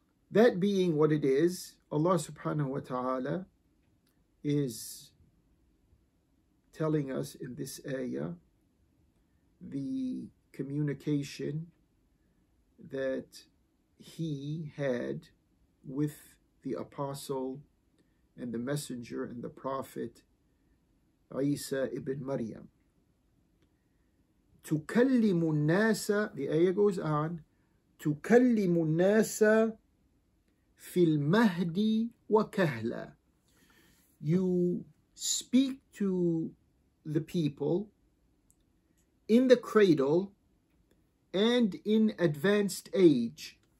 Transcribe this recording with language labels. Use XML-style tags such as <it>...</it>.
<en>That being what it is, Allah subhanahu wa ta'ala is telling us in this ayah the communication that he had with the apostle and the messenger and the prophet Isa ibn Maryam.</en> <ar>تُكَلِّمُ النَّاسَ,</ar> <en>the ayah goes on,</en> <ar>تُكَلِّمُ النَّاسَ فِي الْمَهْدِ وَكَهْلَ.</ar> <en>You speak to the people in the cradle and in advanced age.</en>